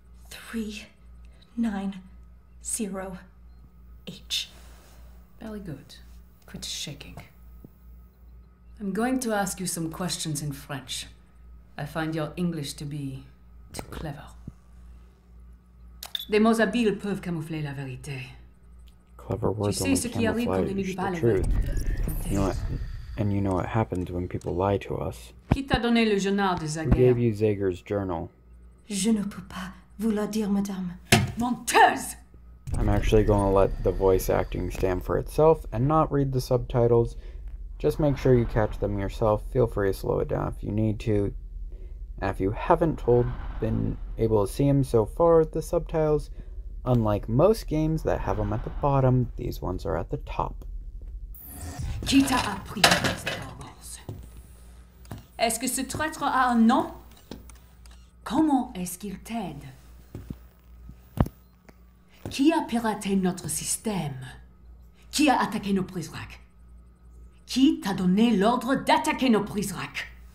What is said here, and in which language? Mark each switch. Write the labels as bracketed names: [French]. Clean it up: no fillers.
[English] 390H. Very good. Quit shaking. I'm going to ask you some questions in French. I find your English to be too clever. [French] Des mots habiles peuvent camoufler la vérité. [English] Clever words [French] tu sais [English] only [French] ce qui arrive quand on ne dit pas la vérité. [English] You know what, and you know what happens when people lie to us. [French] Qui t'a donné le journal de Zager? [English] Who gave you Zager's journal? [French] Je ne peux pas. Vous la dire, madame. Menteuse! [English] I'm actually going to let the voice acting stand for itself and not read the subtitles. Just make sure you catch them yourself. Feel free to slow it down if you need to. And if you haven't been able to see them so far, the subtitles, unlike most games that have them at the bottom, these ones are at the top. [French] Qui t'a appris ces paroles? Est-ce que ce traître a un nom? Comment est-ce qu'il t'aide? Qui a piraté notre système? Qui a attaqué nos Prizrak? Qui t'a donné l'ordre d'attaquer nos Prizrak?